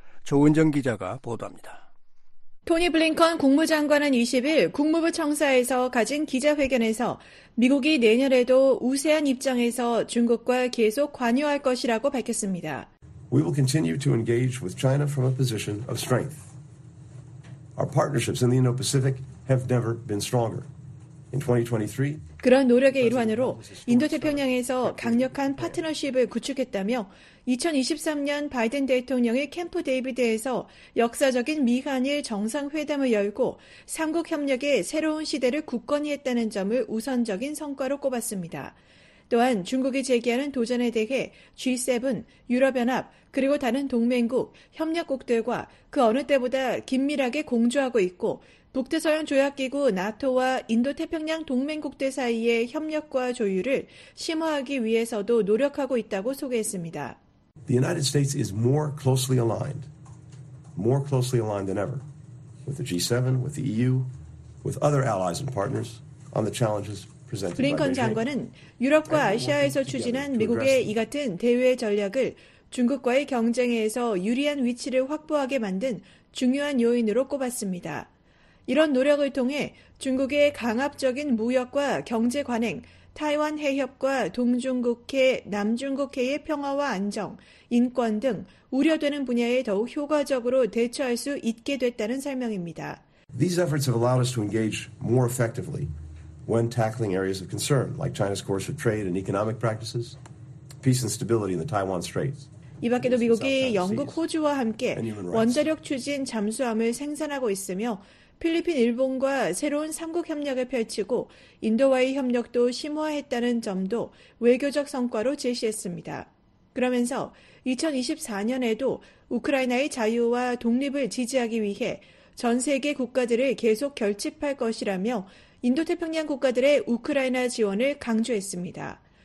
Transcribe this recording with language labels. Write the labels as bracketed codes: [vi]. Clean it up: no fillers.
[ko] 조은정 기자가 보도합니다. 토니 블링컨 국무장관은 20일 국무부 청사에서 가진 기자회견에서 미국이 내년에도 우세한 입장에서 중국과 계속 관여할 것이라고 밝혔습니다. [en] We will continue to engage with China from a position of strength. Our partnerships in the Indo-Pacific have never been stronger. [ko] 그런 노력의 일환으로 인도태평양에서 강력한 파트너십을 구축했다며 2023년 바이든 대통령의 캠프 데이비드에서 역사적인 미한일 정상회담을 열고 삼국 협력의 새로운 시대를 굳건히 했다는 점을 우선적인 성과로 꼽았습니다. 또한 중국이 제기하는 도전에 대해 G7, 유럽연합 그리고 다른 동맹국, 협력국들과 그 어느 때보다 긴밀하게 공조하고 있고 북대서양 조약기구 나토와 인도태평양 동맹국들 사이의 협력과 조율을 심화하기 위해서도 노력하고 있다고 소개했습니다. [en] The United States is more closely aligned than ever with the G7, with the EU, with other allies and partners on the challenges. [ko] 블링컨 장관은 유럽과 아시아에서 추진한 미국의 이 같은 대외 전략을 중국과의 경쟁에서 유리한 위치를 확보하게 만든 중요한 요인으로 꼽았습니다. 이런 노력을 통해 중국의 강압적인 무역과 경제 관행, 타이완 해협과 동중국해, 남중국해의 평화와 안정, 인권 등 우려되는 분야에 더욱 효과적으로 대처할 수 있게 됐다는 설명입니다. [en] These efforts have allowed us to engage more effectively. When tackling areas of concern like China's course of trade and economic practices, peace and stability in the Taiwan Straits. [ko] 이 밖에도 미국이 영국, 호주와 함께 원자력 추진 잠수함을 생산하고 있으며 필리핀, 일본과 새로운 삼국 협력을 펼치고 인도와의 협력도 심화했다는 점도 외교적 성과로 제시했습니다. 그러면서 2024년에도 우크라이나의 자유와 독립을 지지하기 위해 전 세계 국가들을 계속 결집할 것이라며 인도태평양 국가들의 우크라이나 지원을 강조했습니다.